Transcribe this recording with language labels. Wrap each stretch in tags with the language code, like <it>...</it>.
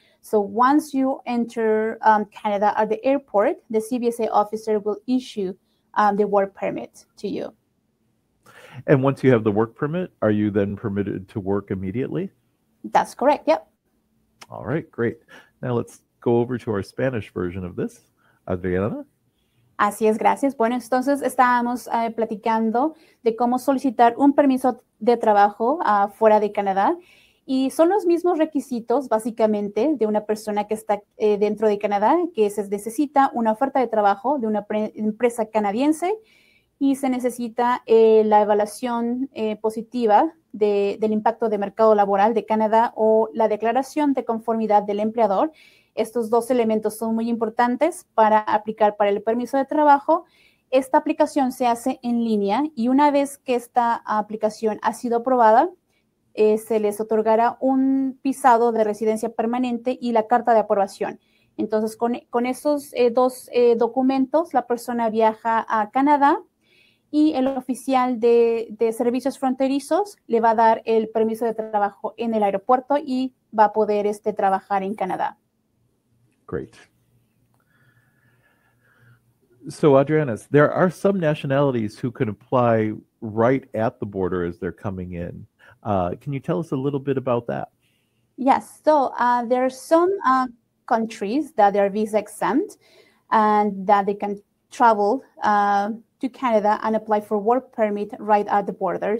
<en>So once you enter Canada at the airport, the CBSA officer will issue the work permit to you. And once you have the work permit, are you then permitted to work immediately? That's correct, yep. All right, great. Now let's go over to our Spanish version of this. Adriana?</en> <es>Así es, gracias. Bueno, entonces estábamos platicando de cómo solicitar un permiso de trabajo fuera de Canadá y son los mismos requisitos básicamente de una persona que está dentro de Canadá, que se necesita una oferta de trabajo de una empresa canadiense y se necesita la evaluación positiva del impacto de mercado laboral de Canadá o la declaración de conformidad del empleador. Estos dos elementos son muy importantes para aplicar para el permiso de trabajo. Esta aplicación se hace en línea y una vez que esta aplicación ha sido aprobada, se les otorgará un visado de residencia permanente y la carta de aprobación. Entonces, con esos dos documentos, la persona viaja a Canadá y el oficial de servicios fronterizos le va a dar el permiso de trabajo en el aeropuerto y va a poder trabajar en Canadá.</es> <en>Great. So, Adriana, there are some nationalities who can apply right at the border as they're coming in. Can you tell us a little bit about that? Yes. So, there are some countries that are visa exempt and that they can travel to Canada and apply for work permit right at the border.</en>